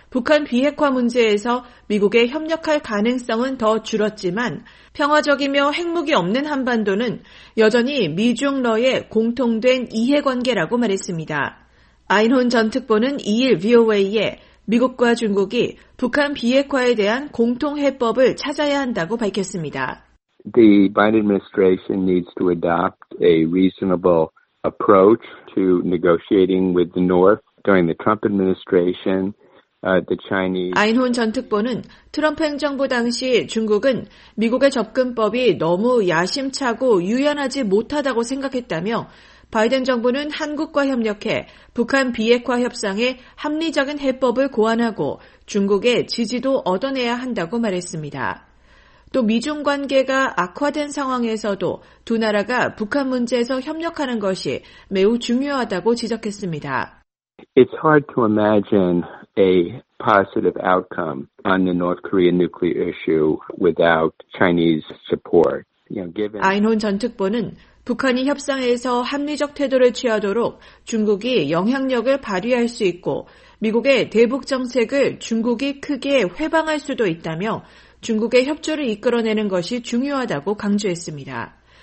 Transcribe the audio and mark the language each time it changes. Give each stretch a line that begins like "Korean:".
Korean: 북한 비핵화 문제에서 미국에 협력할 가능성은 더 줄었지만 평화적이며 핵무기 없는 한반도는 여전히 미중러의 공통된 이해관계라고 말했습니다. 아인혼 전 특보는 2일 VOA에 미국과 중국이 북한 비핵화에 대한 공통 해법을 찾아야 한다고 밝혔습니다.
English: The Biden administration needs to adopt a reasonable approach to negotiating with the North during the Trump administration. The Chinese
Korean: 아인혼 전 특보는 트럼프 행정부 당시 중국은 미국의 접근법이 너무 야심차고 유연하지 못하다고 생각했다며 바이든 정부는 한국과 협력해 북한 비핵화 협상에 합리적인 해법을 고안하고 중국의 지지도 얻어내야 한다고 말했습니다. 또 미중 관계가 악화된 상황에서도 두 나라가 북한 문제에서 협력하는 것이 매우 중요하다고 지적했습니다.
English: It's hard to imagine a positive outcome on the North Korea nuclear issue without Chinese support. You know, given
Korean: 아인혼 전 특보는 북한이 협상에서 합리적 태도를 취하도록 중국이 영향력을 발휘할 수 있고 미국의 대북 정책을 중국이 크게 회방할 수도 있다며 중국의 협조를 이끌어내는 것이 중요하다고 강조했습니다.